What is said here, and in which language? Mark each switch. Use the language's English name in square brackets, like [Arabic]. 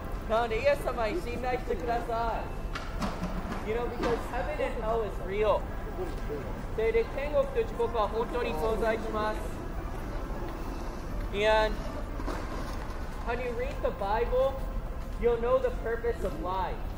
[Japanese] なんでイエス様に信頼してください. [English] You know, because heaven and hell is real. [Japanese] で、天国と地獄は本当に存在します. [English] And when you read the Bible, you'll know the purpose of life.